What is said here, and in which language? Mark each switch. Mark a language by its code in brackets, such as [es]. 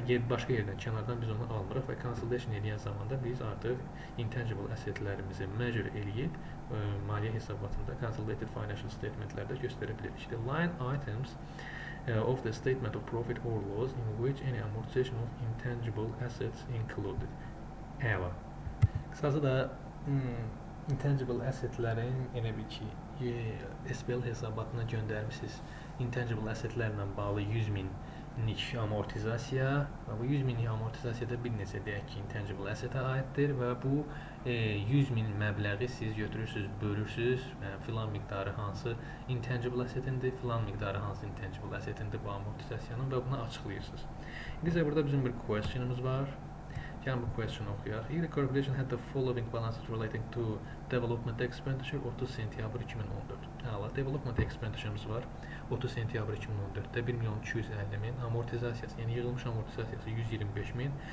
[az] Başqa yerdən, kənardan biz onu almırıq və consolidation edən zamanda biz artıq intangible assetlərimizi measure eləyib maliyyə hesabatında consolidated financial statementlərdə göstərə bilirik. [en] İşte line items of the statement of profit or loss in which any amortization of intangible assets included. [az] Əlavə. Qısası da intangible assetlərin elə bir ki SPL hesabatına göndərmisiniz intangible assetlərlə bağlı 100 min niş amortizasiya və bu 100 minlik amortizasiya da bir neçə deyək ki intangible asset-ə aiddir və bu 100 min məbləği siz götürürsüz, bölürsüz və filan miqdarı hansı intangible asset-indir, filan miqdarı hansı intangible asset-indir bu amortizasiyanın və bunu açıqlayırsınız. İndi isə burada bizim bir question-ımız var. Gəlin bu question-ı oxuyaq. [en] Here the corporation had the following balances relating to development expenditure 30 sentyabr 2014. [az] Hala, development expenditure-ımız var. 30 sentyabr 2014-də 1 milyon 250 min amortizasiyası, yəni yığılmış amortizasiyası 125 min.